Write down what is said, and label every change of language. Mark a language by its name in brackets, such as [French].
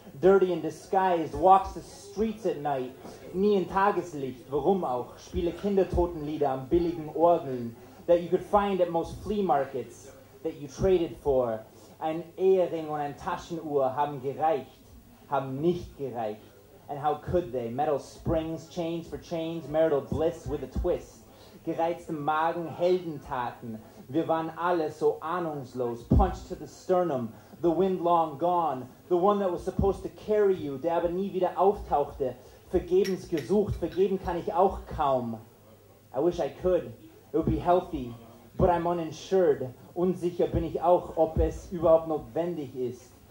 [English] Dirty and disguised, walks the streets at night. [German] Nie in Tageslicht, warum auch? Spiele Kindertotenlieder am billigen Orgeln, [English] that you could find at most flea markets, that you traded for. [German] Ein Ehering und ein Taschenuhr haben gereicht, haben nicht gereicht. [English] And how could they? Metal springs, chains for chains, marital bliss with a twist. [German] Gereizte Magen, Heldentaten, wir waren alle so ahnungslos. [English] Punched to the sternum, the wind long gone. The one that was supposed to carry you, [German] der aber nie wieder auftauchte. Vergebens gesucht, vergeben kann ich auch kaum. [English] I wish I could, it would be healthy, but I'm uninsured. [German] Unsicher bin ich auch, ob es überhaupt notwendig ist.